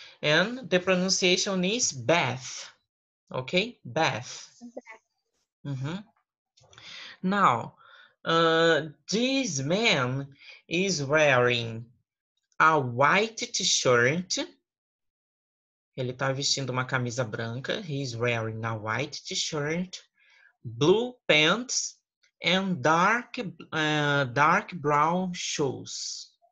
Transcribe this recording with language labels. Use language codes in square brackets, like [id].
[en] And the pronunciation is Beth. Ok? Beth. Uhum. Now, this man is wearing a white t-shirt. [pt] Ele está vestindo uma camisa branca. [en] He's wearing a white t-shirt, blue pants, and dark, dark brown shoes.